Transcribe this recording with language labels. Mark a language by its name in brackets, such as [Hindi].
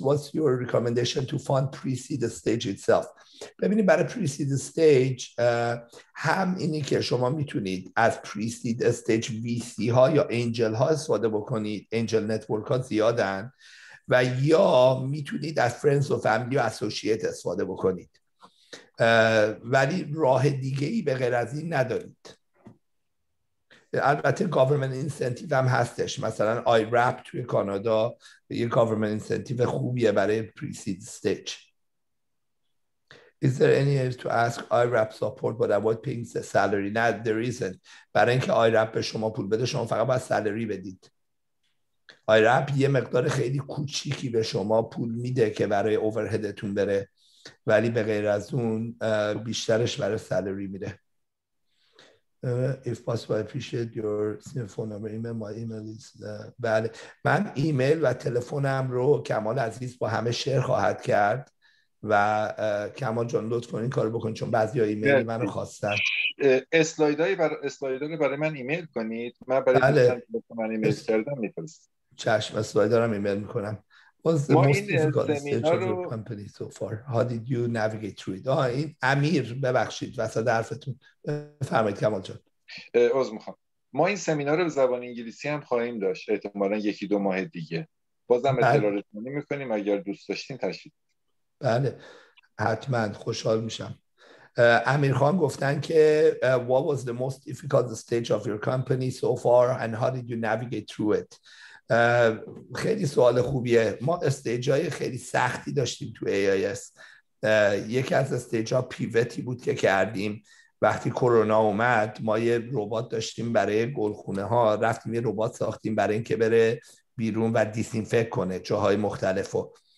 [English] What's your recommendation to fund pre-seed stage itself? [Persian] ببینید برای pre-seed stage هم اینی که شما میتونید از pre-seed stage VC ها یا angel ها استفاده بکنید. Angel network ها زیادن. و یا میتونید از friends و family و associate استفاده بکنید. ولی راه دیگه ای به غیر از این ندارید. البته government incentive هم هستش، مثلا IRAP توی کانادا یه government incentive خوبیه برای pre-seed stage. [English] Is there any way to ask IRAP support but avoid paying the salary? No, there isn't. [Persian] برای اینکه IRAP به شما پول بده شما فقط باید سالری بدید. IRAP یه مقدار خیلی کوچیکی به شما پول میده که برای overheadتون بره، ولی به غیر از اون بیشترش برای سالری میره. [English] If possible, I appreciate your phone number, email. My email is بله. [Persian] من ایمیل و تلفنم رو کمال عزیز با همه شیر خواهد کرد و کمال جان لطف کن این کار بکن، چون بعضی ها ایمیل من رو خواستن. اسلایدار برای من ایمیل کنید، من برای بله. من ایمیل کردم میفرستم. چشم، اسلایدار هم ایمیل میکنم. [English] What's the most difficult stage of your company so far? How did you navigate through it? [Persian] آه این امیر ببخشید وسط حرفتون، بفرمایید کمال جان. عذر میخوام. ما این سمینار رو به زبان انگلیسی هم خواهیم داشت احتمالاً یکی دو ماه دیگه. بازم اطلاع رسانی میکنیم اگر دوست داشتین تشریف. بله حتما خوشحال میشم. امیر خان گفتن که [English] what was the most difficult stage of your company so far and how did you navigate through it? [Persian] خیلی سوال خوبیه. ما استیجای خیلی سختی داشتیم تو AIS. یکی از استیجا پیوتی بود که کردیم. وقتی کرونا اومد ما یه ربات داشتیم برای گلخونه ها، رفتیم یه ربات ساختیم برای این که بره بیرون و دیسینفکت کنه جاهای مختلفو.